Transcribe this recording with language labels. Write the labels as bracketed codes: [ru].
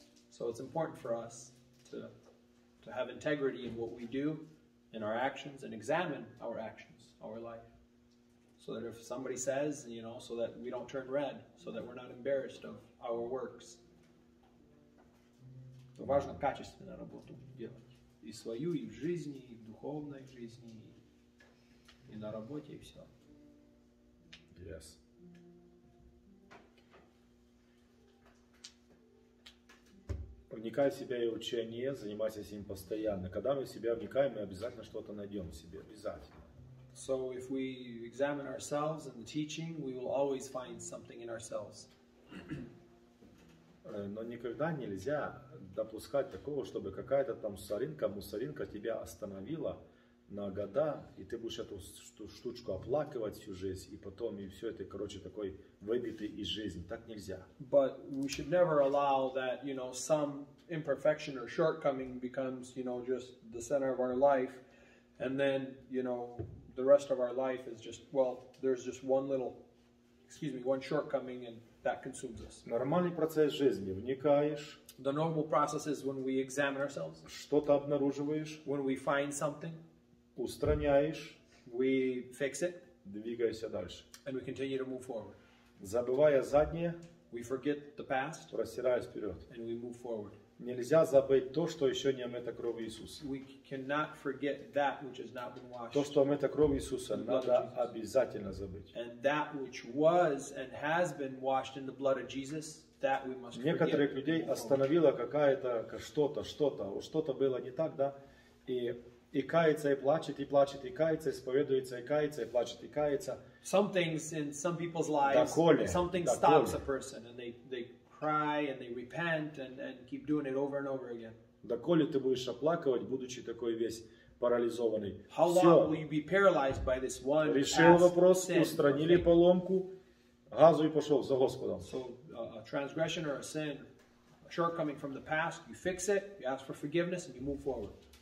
[en] So it's important for us to have integrity in what we do, in our actions, and examine our actions, our life. So that if somebody says, you know, so that we don't turn red, so that we're not embarrassed of our works. [ru] То важно качественно работу делать. И свою, и в жизни, и в духовной жизни, и на работе, и все. [en] Yes. [ru] Вникай в себя и учение, занимайся с ним постоянно. Когда мы в себя вникаем, мы обязательно что-то найдем в себе. Обязательно. [en] So if we examine ourselves and the teaching, we will always find something in ourselves. [ru] Но никогда нельзя допускать такого, чтобы какая-то там мусоринка тебя остановила на года, и ты будешь эту штучку оплакивать всю жизнь, и потом, и все это, короче, такой выбитый из жизни. Так нельзя. [en] But we should never allow that, you know, some imperfection or shortcoming becomes, you know, just the center of our life, and then, you know, the rest of our life is just, well, there's just one little, excuse me, one shortcoming, and that consumes us. [ru] Нормальный процесс жизни. Вникаешь. [en] The normal process is when we examine ourselves. [ru] Что-то обнаруживаешь. [en] When we find something. [ru] Устраняешь. [en] We fix it. [ru] Двигайся дальше. [en] And we continue to move forward. [ru] Забывая заднее. [en] We forget the past. [ru] Простираясь вперед. [en] And we move forward. [ru] Нельзя забыть то, что еще не омыто кровью Иисуса. [en] We cannot forget that which has not been washed. [ru] То, что омыто кровью Иисуса, надо обязательно забыть. [en] And that which was and has been washed in the blood of Jesus, that we must forget. [ru] Некоторых людей остановило какая-то что-то было не так, да? И кается, и плачет, и кается, исповедуется, и кается, и плачет, и кается. [en] Some things in some people's lives, [ru] доколе, [en] something [ru] доколе. [en] Stops a person, and they cry, and they repent, and keep doing it over and over again. [ru] Доколе ты будешь оплакивать, будучи такой весь парализованный? [en] How [ru] Все. [en] Long will you be paralyzed by this one? [ru] Решил вопрос, устранили поломку, газу и пошел за Господом. [en] So, a transgression or a sin, a shortcoming from the past, you fix it, you ask for forgiveness, and you move forward.